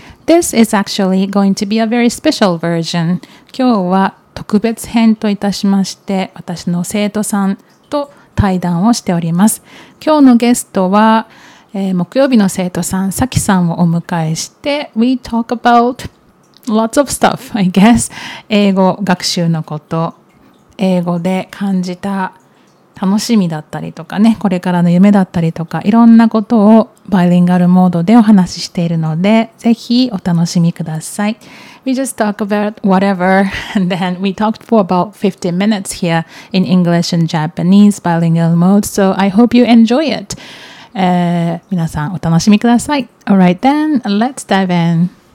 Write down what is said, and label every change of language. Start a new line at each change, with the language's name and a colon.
English: This is actually going to be a very special version.
Japanese: 今日は特別編といたしまして、私の生徒さんと対談をしております。今日のゲストは、木曜日の生徒さん、さきさんをお迎えして、
English: We talk about lots of stuff, I guess.
Japanese: 英語学習のこと。英語で感じた楽しみだったりとかね、これからの夢だったりとか、いろんなことをバイリンガルモードでお話ししているので、ぜひお楽しみください。
English: We just talk about whatever, and then we talked for about 15 minutes here in English and Japanese bilingual mode, so I hope you enjoy it.、
Japanese: 皆さんお楽しみください。
English: Alright then, let's dive in.